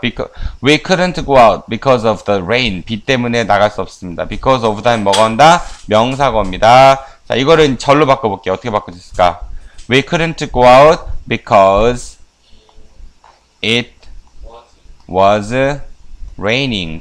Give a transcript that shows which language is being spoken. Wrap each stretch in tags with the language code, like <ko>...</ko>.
<en>Because we couldn't go out because of the rain.</en> <ko>비 때문에 나갈 수 없습니다. Because of 다음 뭐가 온다? 명사어입니다. 자, 이거는 절로 바꿔볼게요. 어떻게 바꿀 수 있을까?</ko> <en>We couldn't go out because it was raining.</en>